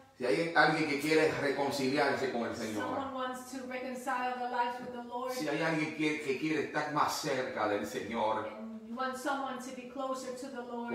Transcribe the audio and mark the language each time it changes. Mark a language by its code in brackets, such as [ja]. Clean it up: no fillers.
[es] Si hay alguien que quiere reconciliarse con el Señor, [en] someone wants to reconcile their lives with the Lord. [es] Si hay alguien que quiere estar más cerca del Señor, [en] and you want someone to be closer to the Lord,